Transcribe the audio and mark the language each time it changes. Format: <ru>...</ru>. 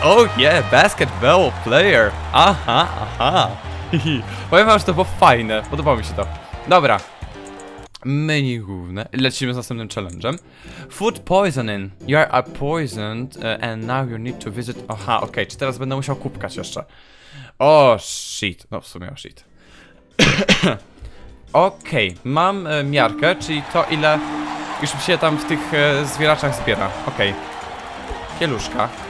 <en>Oh yeah, basketball player! Aha, aha!</en> <pl>Powiem wam, że to było fajne, podobało mi się to. Dobra! Menu główne. Lecimy z następnym challenge'em.</pl> <en>Food poisoning. You are poisoned and now you need to visit...</en> <pl>Aha, okej, okay. Czy teraz będę musiał kupkać jeszcze? O, shit. No, w sumie, o, shit. Okej, okay. Mam miarkę, czyli to ile już mi się tam w tych zwieraczach zbiera. Okej. Okay. Kieluszka.</pl>